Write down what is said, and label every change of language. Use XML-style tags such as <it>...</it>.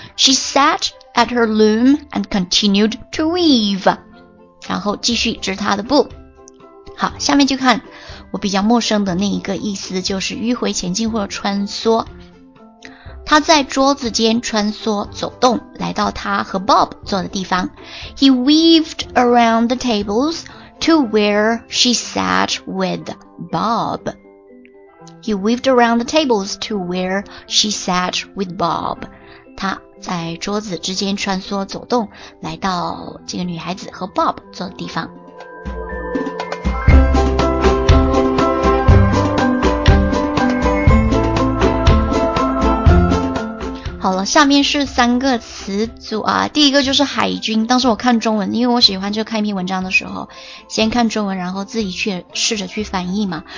<en>She sat at her loom and continued to weave，</en> <zh>然后继续织她的布。好，下面就看我比较陌生的那一个意思，就是迂回前进或者穿梭。他在桌子间穿梭走动，来到他和 Bob 坐的地方。</zh> <en>He weaved around the tables to where she sat with Bob. He weaved around the tables to where she sat with Bob.</en> <zh>他在桌子之间穿梭走动，来到这个女孩子和 Bob 坐的地方。好了，下面是三个词组啊。第一个就是海军，当时我看中文，因为我喜欢就看一篇文章的时候先看中文，然后自己去试着去翻译嘛。</zh>